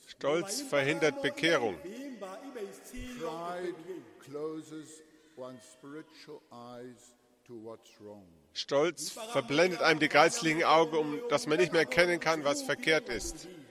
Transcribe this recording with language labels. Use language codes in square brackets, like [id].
[de] Stolz verhindert Bekehrung. [en] Pride closes one's spiritual eyes to what's wrong. [de] Stolz verblendet einem die geistlichen Augen, um dass man nicht mehr erkennen kann, was verkehrt ist.